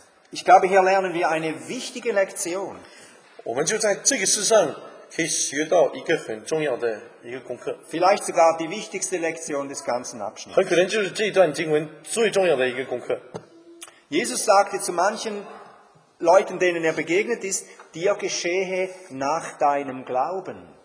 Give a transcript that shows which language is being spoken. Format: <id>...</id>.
<de>Ich glaube, hier lernen wir eine wichtige Lektion.</de> <zh>我们就在这个世上可以学到一个很重要的一个功课。</zh> <de>Vielleicht sogar die wichtigste Lektion des ganzen Abschnitts.</de> <zh>很可能就是这段经文最重要的一个功课。</zh> <de>Jesus sagte zu manchen Leuten, denen er begegnet ist, dir geschehe nach deinem Glauben.</de>